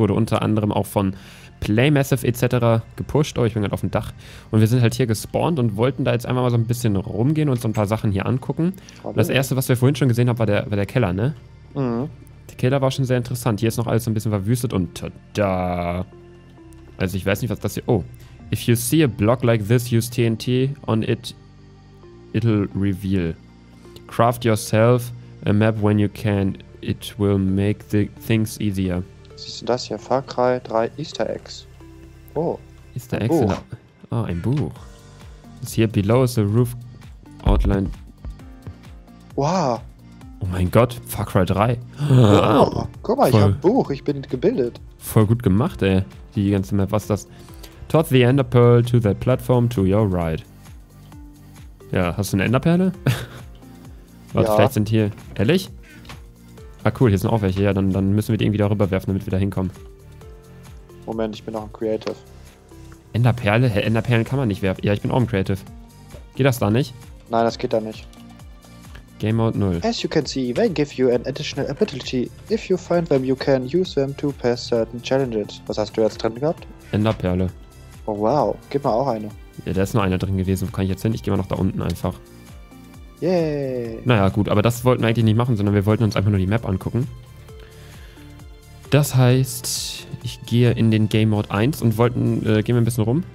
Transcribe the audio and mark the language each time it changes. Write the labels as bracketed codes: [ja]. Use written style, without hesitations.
[de] Wurde unter anderem auch von Playmassive etc. gepusht. Oh, ich bin gerade auf dem Dach. Und wir sind halt hier gespawnt und wollten da jetzt einfach mal so ein bisschen rumgehen und so ein paar Sachen hier angucken. Hallo. Das erste, was wir vorhin schon gesehen haben, war der Keller, ne? Mhm. Der Keller war schon sehr interessant. Hier ist noch alles ein bisschen verwüstet und tada. Also ich weiß nicht, was das hier... Oh. [en] If you see a block like this, use TNT on it. It'll reveal. Craft yourself a map when you can. It will make the things easier. [de] Siehst du das hier? Far Cry 3 Easter Eggs. Oh. Easter Eggs? Oh, ein Buch. [en] It's here below is the roof outline. Wow. [de] Oh mein Gott, Far Cry 3. Oh, guck mal, voll, ich hab ein Buch, ich bin gebildet. Voll gut gemacht, ey. Die ganze Map, was ist das? [en] Toss the Enderpearl to that platform to your right. [de] Ja, hast du eine Enderperle? Warte, ja. Vielleicht sind hier... Ehrlich? Ah cool, hier sind auch welche. Ja, dann müssen wir die irgendwie da rüberwerfen, damit wir da hinkommen. Moment, ich bin noch im Creative. Enderperle? Hä, Enderperlen kann man nicht werfen. Ja, ich bin auch im Creative. Geht das da nicht? Nein, das geht da nicht. [en] Game Mode 0. As you can see, they give you an additional ability. If you find them, you can use them to pass certain challenges. [de] Was hast du jetzt drin gehabt? Enderperle. Oh wow, gib mal auch eine. Ja, da ist nur eine drin gewesen. Wo kann ich jetzt hin? Ich geh mal noch da unten einfach. Yay. Naja, gut, aber das wollten wir eigentlich nicht machen, sondern wir wollten uns einfach nur die Map angucken. Das heißt, ich gehe in den Game Mode 1 und gehen wir ein bisschen rum.